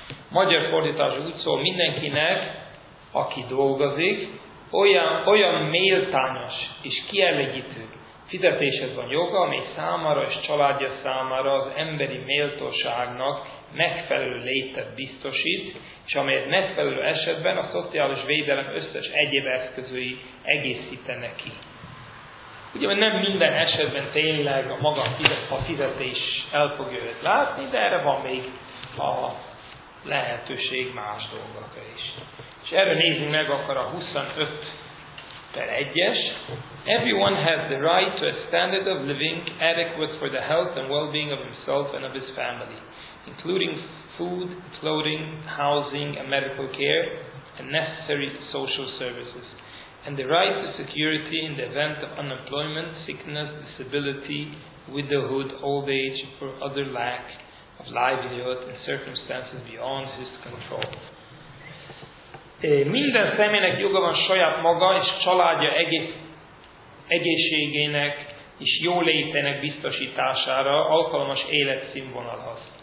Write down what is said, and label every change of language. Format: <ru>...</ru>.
<hu>Magyar fordítás úgy szól, mindenkinek, aki dolgozik, olyan méltányos és kielégítő fizetéshez van joga, amely számára és családja számára az emberi méltóságnak megfelelő létet biztosít, és amelyet megfelelő esetben a szociális védelem összes egyéb eszközői egészítenek ki. Ugye, mert nem minden esetben tényleg a maga fizetés el fogja őt látni, de erre van még a lehetőség más dolgokra is. És erre nézzünk meg akkor a 25/1-es.</hu> <en>Everyone has the right to a standard of living adequate for the health and well-being of himself and of his family, including food, clothing, housing, and medical care, and necessary social services, and the right to security in the event of unemployment, sickness, disability, widowhood, old age, or other lack of livelihood in circumstances beyond his control.</en> <hu>Minden személynek joga van saját maga és családja egészségének és jólétének biztosítására alkalmas életszínvonalhoz.</hu>